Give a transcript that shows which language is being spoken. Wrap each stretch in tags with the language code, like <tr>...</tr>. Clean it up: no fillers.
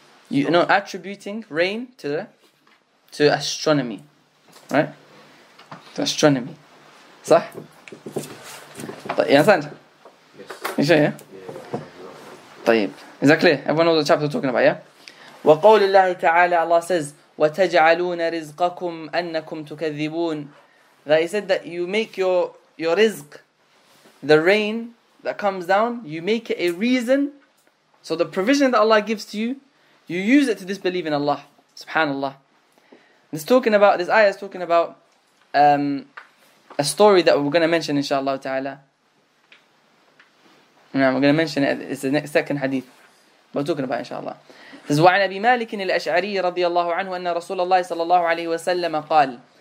<en>You know, attributing rain to the... to astronomy. Right? To astronomy. So? You understand? Yes. You sure, yeah? Yeah. Is that clear? Everyone knows the chapter we're talking about, yeah?</en> <ar>وقول الله تعالى,</ar> <en>Allah says,</en> <ar>وتجعلون رزقكم أنكم تكذبون.</ar> <en>That he said that you make your rizq, the rain that comes down, you make it a reason. So the provision that Allah gives to you, you use it to disbelieve in Allah, subhanallah. This ayah is talking about a story that we're going to mention, inshallah ta'ala. Now we're going to mention it, it's the next second hadith. We're talking about it, inshallah. It says,</en> <ar>وعن أبي مالك الأشعري رضي الله عنه أن رسول الله صلى الله عليه وسلم قال.</ar>